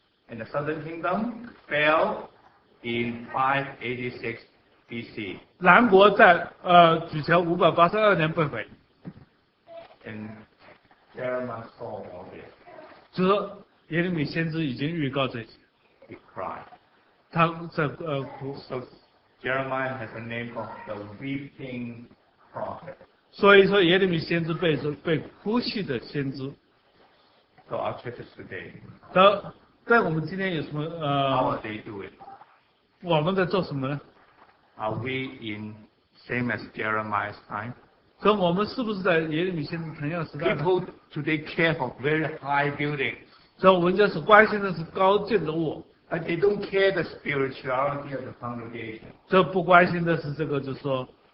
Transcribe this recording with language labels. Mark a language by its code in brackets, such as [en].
[en] And the Southern Kingdom fell in 586 BC. [zh] 南国在主前582年被毁。 [en] And Jeremiah saw all this. [zh] 就是说耶利米先知已经预告这些。 [en] He cried. [zh] 他在哭。 [en] So Jeremiah has a name of the weeping prophet. [zh] 所以说耶利米先知被是被哭泣的先知。 [en] So our church today. [zh] 但我们今天有什么 [en] How are they doing? [zh] 我们在做什么呢 [en] ？Are we in same as Jeremiah's time? [zh] 所以我们是不是在耶利米先知同样时代 [en] ？People today care for very high buildings. [zh] 所以我们就是关心的是高建筑物。 [en] But they don't care the spirituality of the congregation. [zh] 这不关心的是这个，就是说，